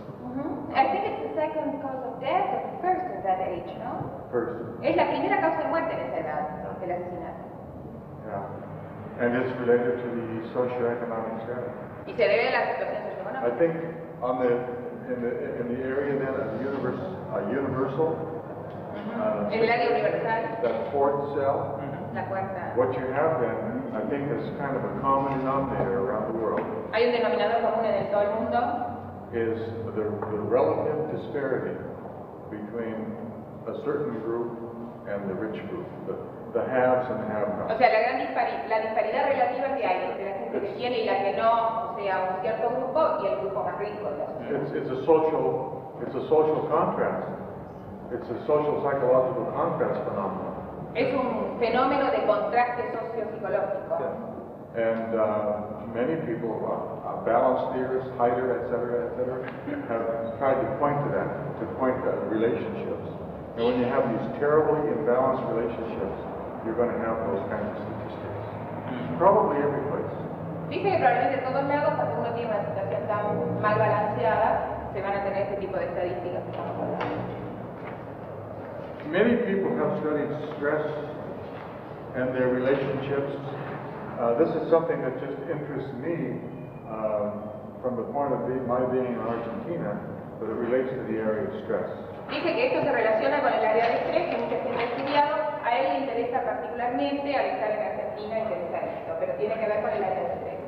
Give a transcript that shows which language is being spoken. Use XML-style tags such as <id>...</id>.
<en>Mm-hmm. I think it's the second cause of death, or the first at that age, no? First.</en> <es>Es la primera causa de muerte en esa edad, el asesinato.</es> <en>Yeah. And it's related to the socioeconomic status.</en> <es>Y se debe a la situación socioeconómica.</es> <en>I think on the in the area then of the universe, universal.</en> <es>Mm-hmm. El área universal.</es> <en>That fourth cell.</en> <es>La cuarta.</es> <en>What you have then, I think, is kind of a common denominator around the world.</en> <es>Hay un denominador común en todo el mundo.</es> <en>Is the relative disparity between a certain group and the rich group, the haves and the have-nots.</en> <es>O sea, la disparidad relativa que hay entre la gente que tiene y la que no, o sea, un cierto grupo y el grupo más rico.</es> <en>It's a social contrast. It's a social psychological contrast phenomenon.</en> <es>Es un fenómeno de contraste sociopsicológico. Yeah.</es> <en>And many people, balance theorists, Heider, etc., have tried to point to relationships. And when you have these terribly imbalanced relationships, you're going to have those kinds of statistics. Probably every place.</en> <es>Dice que probablemente en todos lados, cuando uno tiene una situación tan mal balanceada, se van a tener este tipo de estadísticas. Many people have studied stress and their relationships. This is something that just interests me from the point of my being in Argentina, but it relates to the area of stress. Dice que esto se relaciona con el área de estrés que mucha gente ha estudiado. A él le interesa particularmente al estar en Argentina y pensar esto, pero tiene que ver con el área de estrés.</es>